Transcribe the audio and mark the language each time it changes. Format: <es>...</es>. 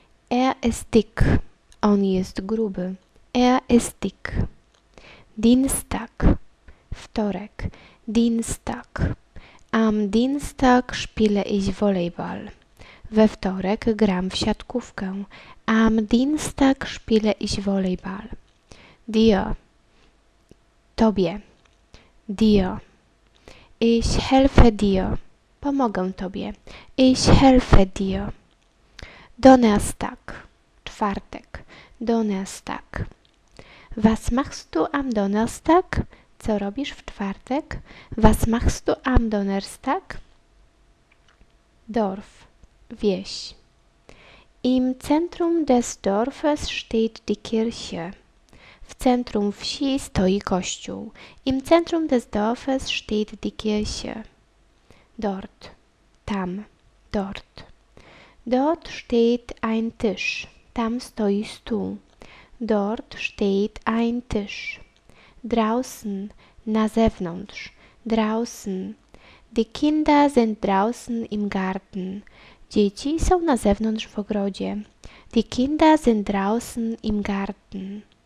<de>Er ist dick,</de> <pl>on jest gruby.</pl> <de>Er ist dick. Dienstag, wtorek, Dienstag. Am Dienstag spiele ich Volleyball.</de> <pl>We wtorek gram w siatkówkę.</pl> <de>Am Dienstag spiele ich Volleyball. Dir, tobie. Dir. Ich helfe dir.</de> <pl>Pomogę tobie.</pl> <de>Ich helfe dir. Donnerstag. Czwartek. Donnerstag. Was machst du am Donnerstag?</de> <pl>Co robisz w czwartek?</pl> <de>Was machst du am Donnerstag? Dorf. Wieś. Im Zentrum des Dorfes steht die Kirche.</de> <pl>W centrum wsi stoi kościół.</pl> <de>Im Zentrum des Dorfes steht die Kirche. Dort. Tam. Dort. Dort steht ein Tisch.</de> <pl>Tam stoi stół.</pl> <de>Dort steht ein Tisch. Draußen.</de> <pl>Na zewnątrz. Draußen.</pl> <de>Die Kinder sind draußen im Garten.</de> <pl>Dzieci są na zewnątrz w ogrodzie.</pl> <de>Die Kinder sind draußen im Garten.</de>